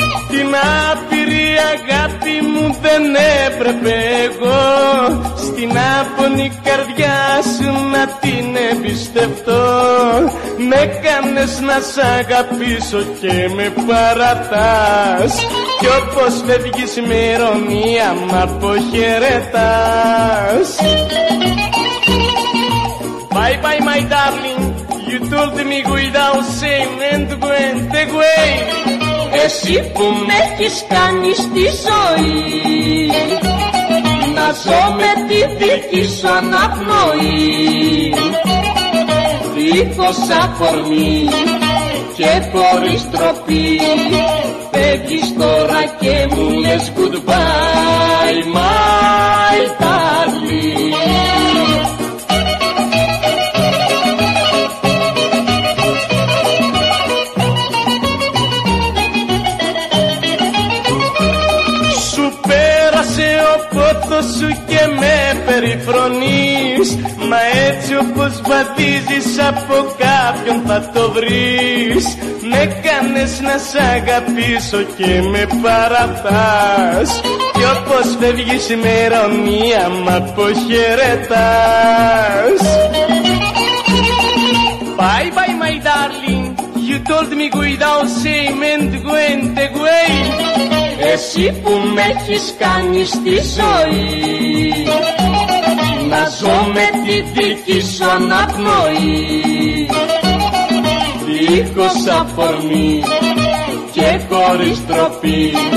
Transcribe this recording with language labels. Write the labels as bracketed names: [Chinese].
[Greek] Την άπειρη αγάπη μου δεν έπρεπε εγώ στην άπονη καρδιά σου να την εμπιστευτώ. Με κάνες να σ' αγαπήσω και με παρατάς κι όπως φεύγεις με ειρωνία μ' αποχαιρετάς. [English] Bye bye my darling, you told me without saying and went away. [Greek] Εσύ που με έχεις κάνει στη ζωή να ζω με τη δική σου αναπνοή δίχως αφορμή και χωρίς τροπή. Φεύγεις τώρα και μου λες [English] goodbye my darling. [Greek] Σου και με περιφρονείς, μα έτσι όπως βαδίζεις από κάποιον θα το βρεις. Με κάνες να σ' αγαπήσω και με παρατάς κι όπως φεύγεις με ειρωνία μ' αποχαιρετάς. [English] Bye bye my darling, you told me without shame and went away. [Greek] Εσύ που με έχεις κάνει στη ζωή να ζω με τη δική σου αναπνοή δίχως αφορμή και χωρίς τροπή.